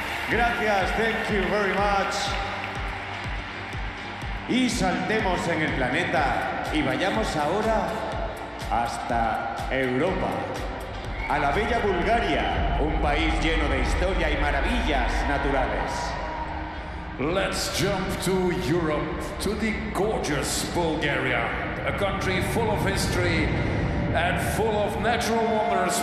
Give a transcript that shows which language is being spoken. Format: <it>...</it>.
<es>Gracias,</es> <en>thank you very much.</en> <es>Y saltemos en el planeta y vayamos ahora hasta Europa, a la bella Bulgaria, un país lleno de historia y maravillas naturales.</es> <en>Let's jump to Europe, to the gorgeous Bulgaria, a country full of history and full of natural wonders.</en>